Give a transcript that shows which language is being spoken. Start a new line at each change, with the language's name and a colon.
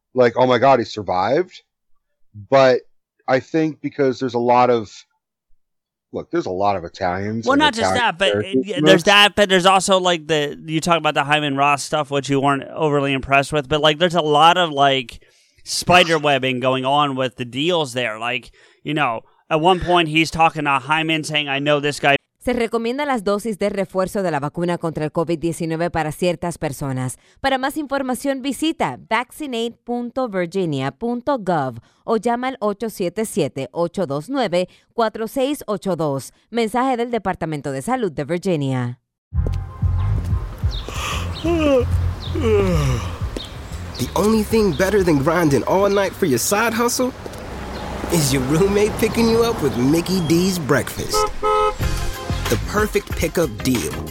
English: Like, oh my God, he survived. But I think because there's a lot of, look, there's a lot of Italians. Well, not just that, but there's that, but there's also like you talk about the Hyman Roth stuff, which you weren't overly impressed with, but like there's a lot of like spider webbing going on with the deals there. Like, you know, at one point he's talking to Hyman saying, I know this guy.
Spanish: Se recomienda las dosis de refuerzo de la vacuna contra el COVID-19 para ciertas personas. Para más información, visita vaccinate.virginia.gov o llama al 877-829-4682. Mensaje del Departamento de Salud de Virginia.
English: The only thing better than grinding all night for your side hustle is your roommate picking you up with Mickey D's breakfast. The perfect pickup deal.